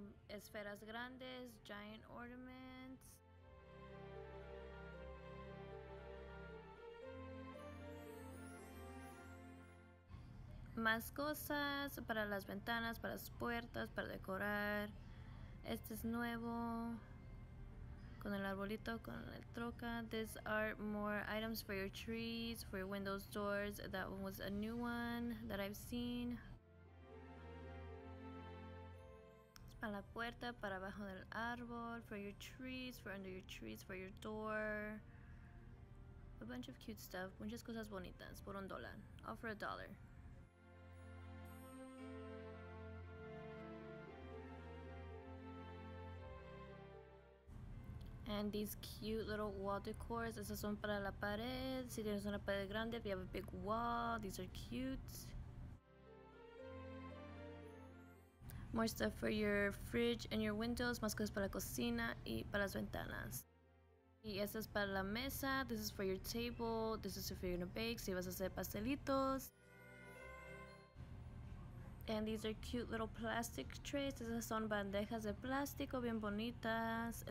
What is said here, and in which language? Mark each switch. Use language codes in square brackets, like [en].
[es] Esferas grandes, [en] giant ornaments. [es] Más cosas para las ventanas, para las puertas, para decorar. Este es nuevo. Con el arbolito, con la troca. [en] These are more items for your trees, for your windows, doors. That one was a new one that I've seen. [es] Es para la puerta, para abajo del árbol. [en] For your trees, for under your trees, for your door. A bunch of cute stuff. [es] Muchas cosas bonitas por un dólar. [en] All for a dollar. And these cute little wall decors. [es] Esas son para la pared. Si tienes una pared grande, [en] if you have a big wall, these are cute. More stuff for your fridge and your windows. [es] Más cosas para la cocina y para las ventanas. Y esto es para la mesa. [en] This is for your table. This is if you're gonna bake. [es] Si vas a hacer pastelitos. [en] And these are cute little plastic trays. [es] Esas son bandejas de plástico bien bonitas.